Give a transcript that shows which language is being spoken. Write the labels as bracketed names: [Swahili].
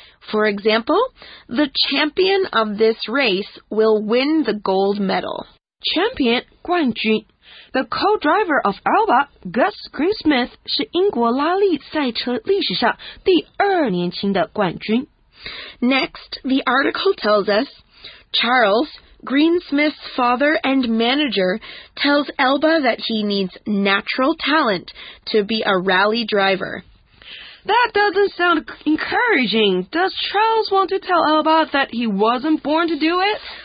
[English] For example, the champion of this race will win the gold medal. [Chinese] Champion, 冠军。 [English] The co-driver of Elba, [Chinese] Gus Greensmith, 是英国拉力赛车历史上第二年轻的冠军。 [English] Next, the article tells us, Charles, Greensmith's father and manager, tells Elba that he needs natural talent to be a rally driver. That doesn't sound encouraging. Does Charles want to tell Elba that he wasn't born to do it?